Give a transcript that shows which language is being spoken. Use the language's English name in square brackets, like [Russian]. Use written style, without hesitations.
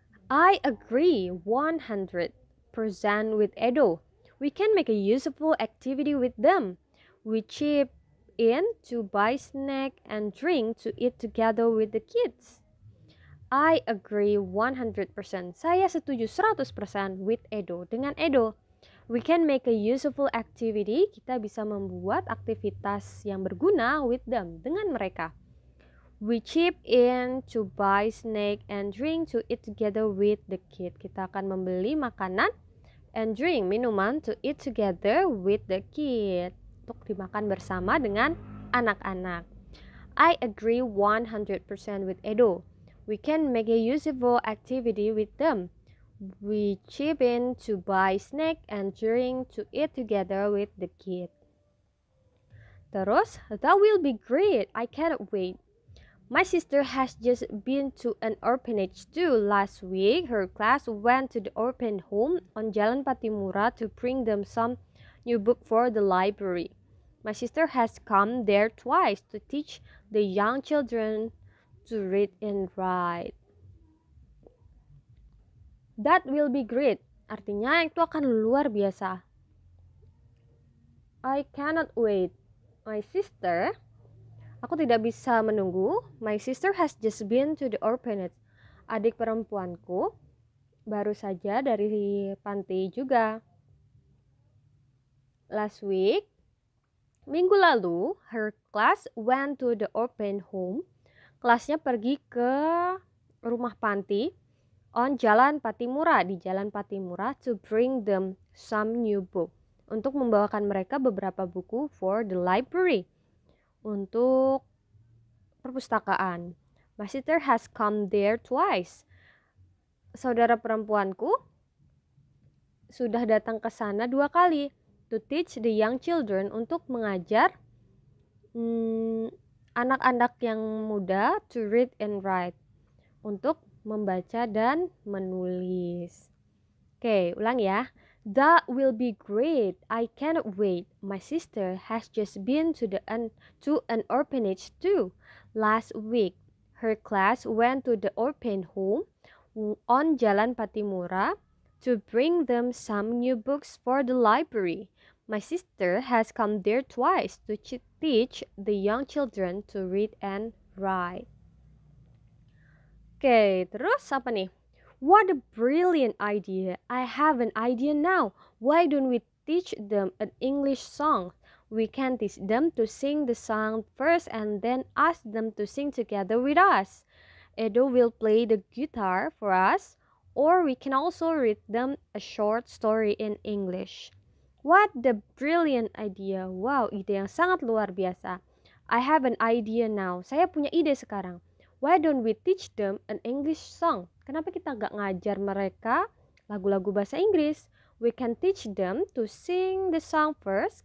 [English] I agree 100% with Edo. We can make a useful activity with them. We chip in to buy snack and drink to eat together with the kids. I agree 100%. [Indonesian] Saya setuju 100% [English] with Edo, [Indonesian] dengan Edo. [English] We can make a useful activity. [Indonesian] Kita bisa membuat aktivitas yang berguna [English] with them, [Indonesian] dengan mereka. [English] We chip in to buy snack and drink to eat together with the kid. [Indonesian] Kita akan membeli makanan [English] and drink, [Indonesian] minuman, [English] to eat together with the kid, [Indonesian] untuk dimakan bersama dengan anak-anak. [English] I agree 100% with Edo. We can make a useful activity with them. We chip in to buy snack and drink to eat together with the kid. [Indonesian] Terus, [English] that will be great. I cannot wait. My sister has just been to an orphanage too. Last week, her class went to the orphan home on Jalan Patimura to bring them some new book for the library. My sister has come there twice to teach the young children to read and write. That will be great. [Indonesian] Artinya itu akan luar biasa. [English] I cannot wait. My sister. [Indonesian] Aku tidak bisa menunggu. [English] My sister has just been to the orphanage. [Indonesian] Adik perempuanku baru saja dari panti juga. [English] Last week. [Indonesian] Minggu lalu, [English] her class went to the orphan home. [Indonesian] Kelasnya pergi ke rumah panti [English] on Jalan Patimura, [Indonesian] di Jalan Patimura, [English] to bring them some new book, [Indonesian] untuk membawakan mereka beberapa buku [English] for the library, [Indonesian] untuk perpustakaan. [English] My sister has come there twice. [Indonesian] Saudara perempuanku sudah datang ke sana 2 kali [English] to teach the young children, [Indonesian] untuk mengajar anak-anak yang muda [English] to read and write, [Indonesian] untuk membaca dan menulis. Oke, ulang ya. [English] That will be great. I cannot wait. My sister has just been to an orphanage too. Last week, her class went to the orphan home on Jalan Patimura to bring them some new books for the library. My sister has come there twice to teach the young children to read and write. Okay, [Indonesian] terus apa nih? [English] What a brilliant idea. I have an idea now. Why don't we teach them an English song? We can teach them to sing the song first and then ask them to sing together with us. Edo will play the guitar for us, or we can also read them a short story in English. What the brilliant idea. [Indonesian] Wow, ide yang sangat luar biasa. [English] I have an idea now. [Indonesian] Saya punya ide sekarang. [English] Why don't we teach them an English song? [Indonesian] Kenapa kita gak ngajar mereka lagu-lagu bahasa Inggris? [English] We can teach them to sing the song first.